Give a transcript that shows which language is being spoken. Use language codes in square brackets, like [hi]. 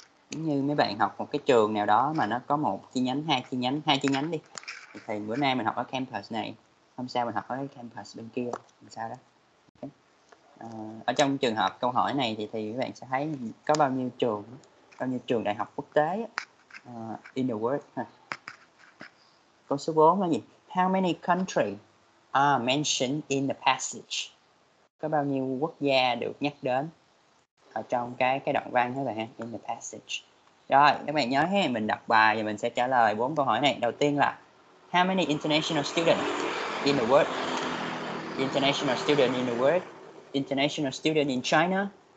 [vi] Giống như mấy bạn học một cái trường nào đó mà nó có một chi nhánh, hai chi nhánh đi. Thì bữa nay mình học ở campus này, hôm sau mình học ở cái campus bên kia, làm sao đó. Okay. Ở trong trường hợp câu hỏi này thì các bạn sẽ thấy có bao nhiêu trường đại học quốc tế á. [en] In the world. [vi] Câu số 4 là gì? [en] How many countries are mentioned in the passage? [vi] Có bao nhiêu quốc gia được nhắc đến ở trong cái đoạn văn đó bạn ha? [en] In the passage. [vi] Rồi, các bạn nhớ ha, mình đọc bài và mình sẽ trả lời 4 câu hỏi này. Đầu tiên là [en] how many international students in the world? International student in the world. International student in China.